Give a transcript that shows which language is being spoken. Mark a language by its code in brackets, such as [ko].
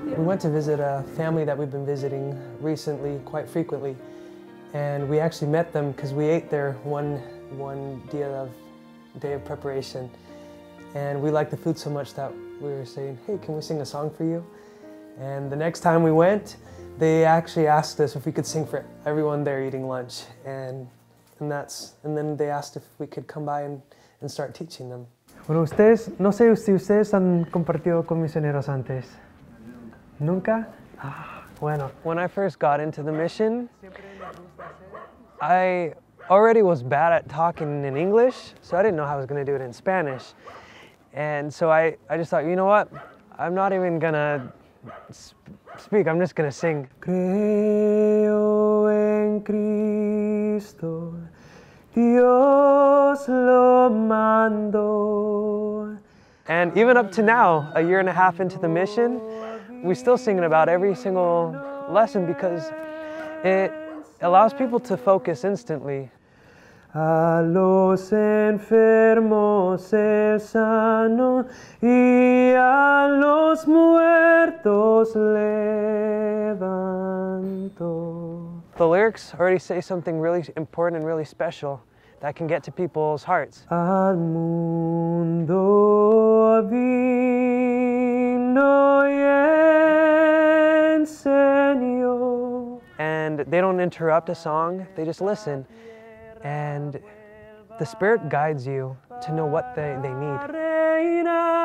[en] We went to visit a family that we've been visiting recently, quite frequently, and we actually met them because we ate there one day of preparation. And we liked the food so much that we were saying, hey, can we sing a song for you? And the next time we went, they actually asked us if we could sing for everyone there eating lunch. And then they asked if we could come by and start teaching them. [es] Bueno, ustedes, no sé si ustedes han compartido con misioneros antes. ¿Nunca? Ah, bueno. [en] When I first got into the mission, I already was bad at talking in English, so I didn't know how I was gonna do it in Spanish. And so I just thought, you know what? I'm not even gonna speak, I'm just gonna sing. [es] Creo en Cristo, Dios lo mando. [en] And even up to now, a year and a half into the mission, we're still singing about every single lesson because it allows people to focus instantly. [es] A los enfermos se sano y a los muertos levanto. [en] The lyrics already say something really important and really special that can get to people's hearts. [es] Al mundo vino y enseñó. [en] And they don't interrupt a song, they just listen. And the Spirit guides you to know what they need.